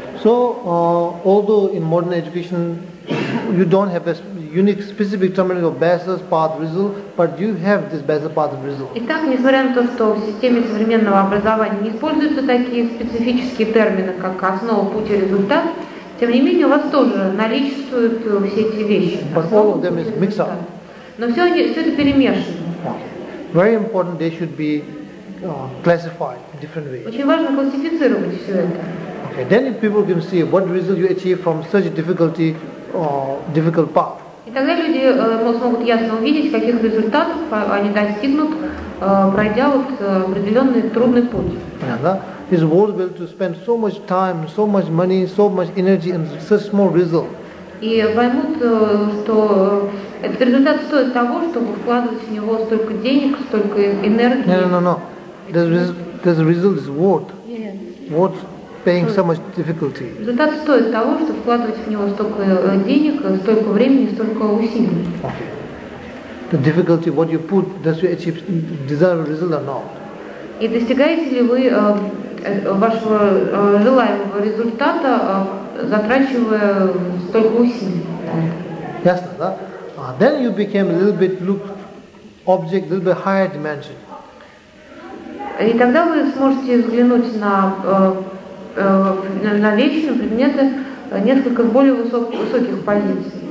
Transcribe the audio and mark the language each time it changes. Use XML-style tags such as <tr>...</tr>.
<en>So, although in modern education you don't have a unique specific terminology of basis, path, result, but you have this basis, path, result.</en> <ru>Итак, несмотря на то, что в системе современного образования не используются такие специфические термины, как основа, путь и результат, тем не менее, у вас тоже наличествуют все эти вещи.</ru> <en>But all of them is mixed up.</en> <ru>Но все это перемешано.</ru> <en>Very important they should be classified in different ways.</en> <ru>Очень важно классифицировать все это.</ru> <en>Okay. Then if people can see what result you achieve from such difficulty, difficult path.</en> <ru>И тогда люди смогут ясно увидеть, каких результатов они достигнут, пройдя вот определенный трудный путь. Понятно?</ru> <en>It's worthwhile to spend so much time, so much money, so much energy and such small result.</en> <ru>И поймут, что этот результат стоит того, чтобы вкладывать в него столько денег, столько энергии.</ru> <en>No. This result is worth. Yeah. Worth paying so much difficulty.</en> <ru>Результат стоит того, чтобы вкладывать в него столько денег, столько времени, столько усилий.</ru> <en>Okay. The difficulty, what you put, does you achieve desired result or not?</en> <ru>И достигаете ли вы вашего желаемого результата, затрачивая столько усилий? Ясно, да?</ru> <en>Then you became a little bit look object, a little bit higher dimension.</en> <ru>И тогда вы сможете взглянуть на вещи, на предметы несколько более высоких позиций.</ru>